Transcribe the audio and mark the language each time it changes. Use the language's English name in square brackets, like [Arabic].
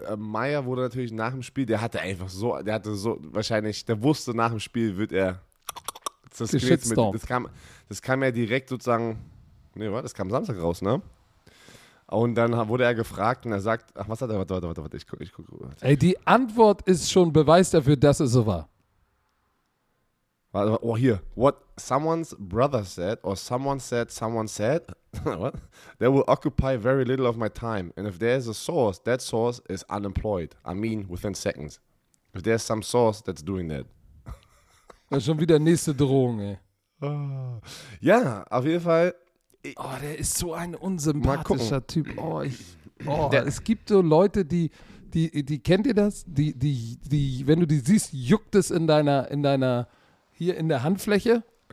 [German] Meyer wurde natürlich nach dem Spiel, der wusste nach dem Spiel, wird er das geschitzt. Das kam ja direkt sozusagen, das kam Samstag raus, ne? Und dann wurde er gefragt und er sagt, ach, was hat er, warte, ich guck. Ey, die Antwort ist schon Beweis dafür, dass es so war. Oh, hier. [English] What someone's brother said, or someone said, what? They will occupy very little of my time. And if there is a source, that source is unemployed. I mean, within seconds. If there's some source that's doing that. [German] Das ist schon wieder nächste Drohung, ey. Oh. Ja, auf jeden Fall. Oh, der ist so ein unsympathischer Typ. Es gibt so Leute, die kennt ihr das? Die, wenn du die siehst, juckt es in deiner hier in der Handfläche.